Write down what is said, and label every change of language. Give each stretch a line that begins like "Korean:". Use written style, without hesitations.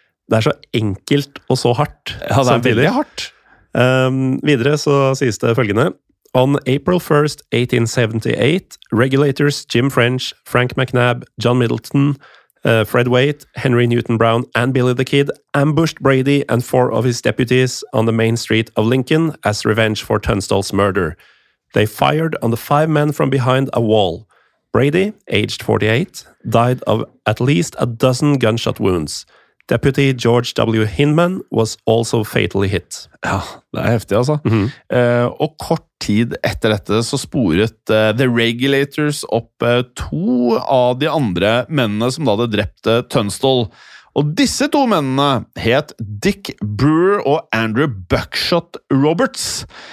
Norwegian: Det er så enkelt og så hardt. Ja, det er veldig hardt. Videre så sies det følgende.
English: On April 1st, 1878, regulators Jim French, Frank McNab, John Middleton, Fred Waite, Henry Newton Brown, and Billy the Kid ambushed Brady and four of his deputies on the main street of Lincoln as revenge for Tunstall's murder. They fired on the five men from behind a wall. Brady, aged 48, died of at least a dozen gunshot wounds. Deputy George W. Hinman was also fatally hit.
Norwegian: Ja, det er heftig altså. Mm-hmm. Og kort tid etter dette så sporet The Regulators opp to av de andre mennene som da hadde drept Tunstall. Og disse to mennene het Dick Brewer og Andrew Buckshot Roberts.